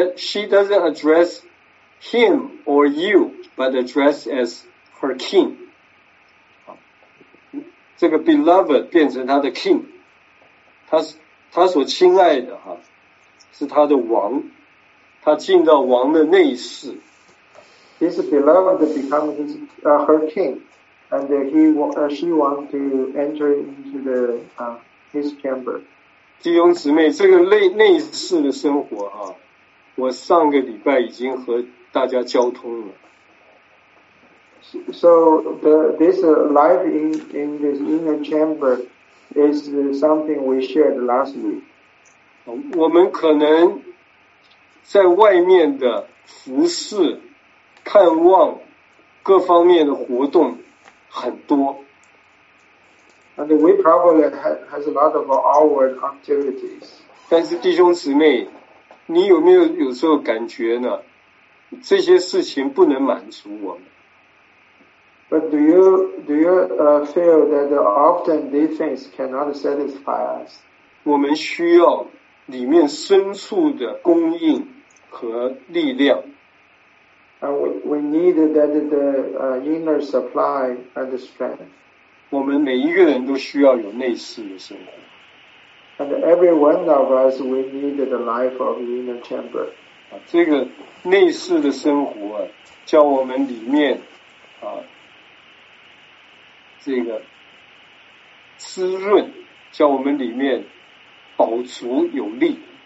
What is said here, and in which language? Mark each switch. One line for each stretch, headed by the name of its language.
English: She doesn't address him or you, but address as her king.
Chinese: 这个 beloved 变成他的 king， 他所亲爱的哈，是他的王。他进到王的内室。
English: His beloved becomes her king, and she wants to enter into the his chamber.
Chinese: 弟兄姊妹，这个内室的生活啊，我上个礼拜已经和大家交通了。
English: So this life in this inner chamber is something we shared last week.
Chinese: 我们可能。在外面的服侍、看望、各方面的活动很多。
English: And we probably has a lot of outward activities.
Chinese: 但是弟兄姊妹，你有没有有时候感觉呢？这些事情不能满足我们。
English: But do you feel that often these things cannot satisfy us?
Chinese: 我们需要里面深处的供应。和力量。
English: We need that the inner supply and strength.
Chinese: 我们每一个人都需要有内室的生活。
English: And every one of us, we need the life of inner chamber.
Chinese: 这个内室的生活啊，叫我们里面啊，这个滋润，叫我们里面饱足有力。